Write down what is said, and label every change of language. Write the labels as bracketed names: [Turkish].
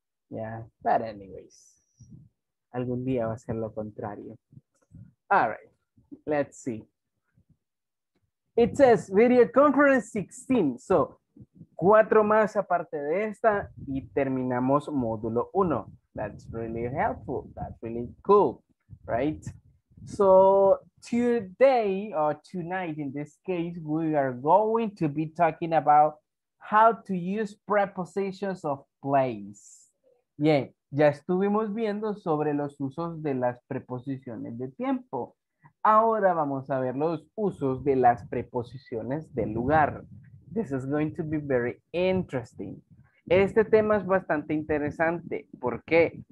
[English] Yeah, but anyways. [Spanish] Algún día va a ser lo contrario. [English] All right, let's see. It says video conference 16. [Spanish] So, cuatro más aparte de esta y terminamos módulo 1. [English] That's really helpful. That's really cool, right? So, today or tonight in this case, we are going to be talking about how to use prepositions of place. [Spanish] Bien, ya estuvimos viendo sobre los usos de las preposiciones de tiempo. Ahora vamos a ver los usos de las preposiciones de lugar. [English] This is going to be very interesting. [Spanish] Este tema es bastante interesante. ¿Por qué?